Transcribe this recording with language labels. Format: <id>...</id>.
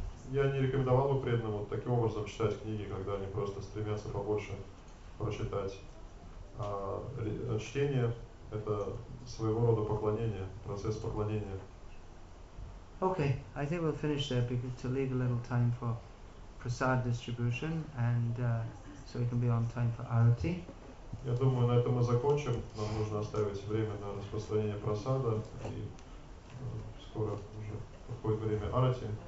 <ru>Я не рекомендовал бы преданному таким образом читать книги, когда они просто стремятся побольше прочитать. А чтение – это своего рода поклонение, процесс поклонения.</ru> <en>Okay, I think we'll finish there because to leave a little time for prasad distribution and so we can be on time for arati.</en> <ru>Я думаю, на этом мы закончим. Нам нужно оставить время на распространение просада, и скоро уже подходит время арати.</ru>